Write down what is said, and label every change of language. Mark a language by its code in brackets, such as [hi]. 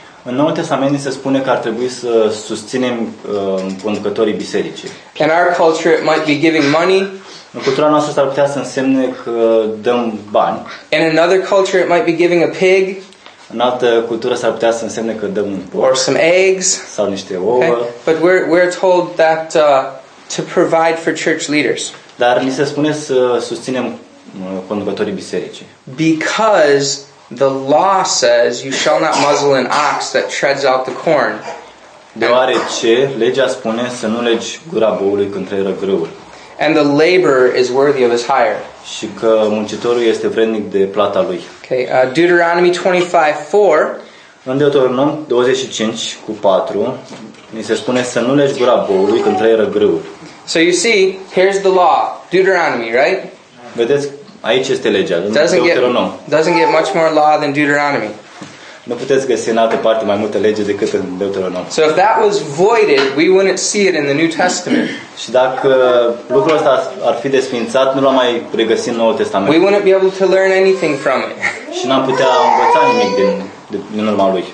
[ro] În Noul Testament se spune că ar trebui să susținem conducătorii bisericii. [en] In our culture, it might be giving money. [ro] În cultura noastră s-ar putea să însemne că dăm bani. [en] In another culture, it might be giving a pig. [ro] În altă cultură s-ar putea să însemne că dăm un porc. [en] Or some eggs. [ro] Sau niște ouă. Okay. [en] But we're told that to provide for church leaders. [ro] Dar ni se spune să susținem conducătorii bisericii. [en] Because the law says you shall not muzzle an ox that treads out the corn. [ro] Deoarece legea spune să nu legi gura boului când treieră grâul. [en] And the laborer is worthy of his hire. [ro] Și că muncitorul este vrednic de plata lui. [en] Okay, Deuteronomy 25:4. [ro] În Deuteronom 25:4 ni se spune să nu legi gura boului când treieră grâul. [en] So you see, here's the law, Deuteronomy, right? [ro] Vedeți, aici este legea, [en] Deuteronom. Doesn't get much more law than Deuteronomy. [ro] Nu puteți găsi în altă parte mai multe lege decât în Deuteronom. [en] So if that was voided, we wouldn't see it in the New Testament. [ro] Și dacă lucrul ăsta ar fi desfințat, nu l-am mai regăsit în Noul Testament. [en] We wouldn't be able to learn anything from it. [ro] Și n-am putea învăța nimic din urma lui.